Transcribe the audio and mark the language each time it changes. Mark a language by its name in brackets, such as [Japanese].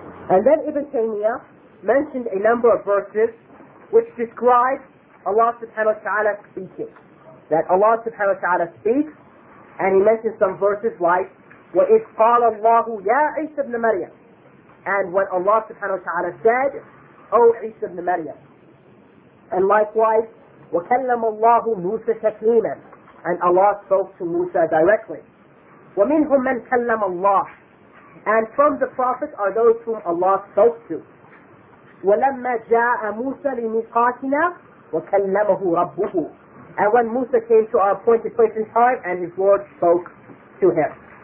[English] And then Ibn Taymiyyah mentioned a number of verses which describe Allah subhanahu wa ta'ala speaking. That Allah subhanahu wa ta'ala speaks, and he mentions some verses like, [Arabic] وَإِذْ قَالَ اللَّهُ يَا عِيسَى ابْنَ مَرْيَمَ. [English] And when Allah subhanahu wa ta'ala said, O Isa ibn Maryam. And likewise, [Arabic] وَكَلَّمَ اللَّهُ مُوسَى تَكْلِيمًا. [English] And Allah spoke to Musa directly. [Arabic] وَمِنْهُمْ مَنْ كَلَّمَ اللَّهُ. [English] And from the Prophet are those whom Allah spoke to. [Arabic] وَلَمَّا جَاءَ مُوسَى لِمِقَاتِنَا وَكَلَّمَهُ رَبُّهُ. [English] And when Musa came to our appointed place and time, and his Lord spoke to him.